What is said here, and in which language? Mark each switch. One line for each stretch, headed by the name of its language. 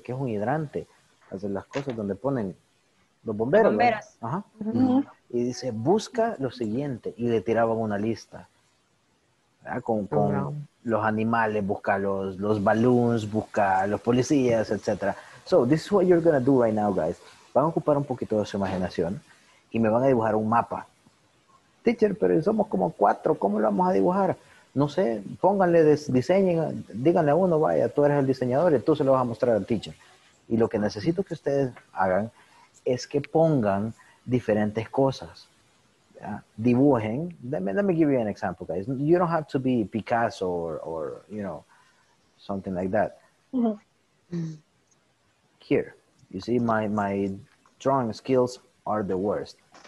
Spanish: ¿Qué es un hidrante? Hacen las cosas donde ponen los bomberos. Bomberos. Ajá. Y dice, busca lo siguiente. Y le tiraban una lista. ¿Verdad? Con los animales, busca los balloons, busca los policías, etc.
English: So, this is what you're going to do right now, guys.
Spanish: Van a ocupar un poquito de su imaginación y me van a dibujar un mapa. Teacher, pero somos como 4, ¿cómo lo vamos a dibujar? No sé, pónganle, diseñen, díganle a uno, vaya, tú eres el diseñador y tú se lo vas a mostrar al teacher. Y lo que necesito que ustedes hagan es que pongan diferentes cosas, ¿ya?
English: Dibujen, let me give you an example, guys. You don't have to be Picasso or you know, something like that. Here, you see my drawing skills are the worst.